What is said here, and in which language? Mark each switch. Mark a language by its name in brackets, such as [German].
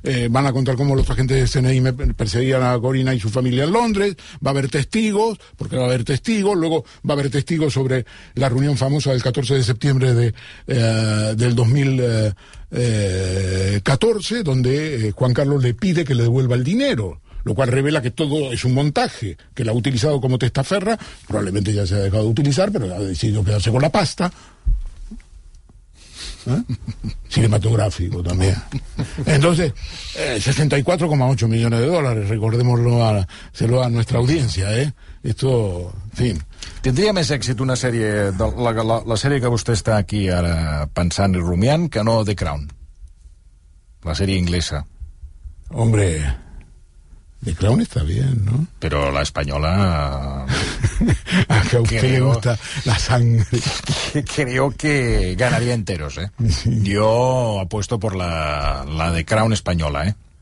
[Spanish] van a contar cómo los agentes del CNI me perseguían a Corina y su familia en Londres, va a haber testigos, porque va a haber testigos, luego va a haber testigos sobre la reunión famosa del 14 de septiembre del 2014, donde Juan Carlos le pide que le devuelva el dinero, lo cual revela que todo es un montaje, que la ha utilizado como testaferra, probablemente ya se ha dejado de utilizar, pero ha decidido quedarse con la pasta. Cinematográfico también. Entonces, 64,8 millones de dólares, recordémoslo a nuestra audiencia, ¿eh? Esto, en fin. [Catalan] Tindria més èxit una sèrie, la sèrie que vostè està aquí ara pensant i rumiant, que no The Crown, la sèrie inglesa. [Spanish] Hombre, The Crown está bien, ¿no? Pero la española... A que a usted le gusta la sangre. Creo que ganaría enteros, ¿eh? Sí. Yo apuesto por la The Crown española, ¿eh?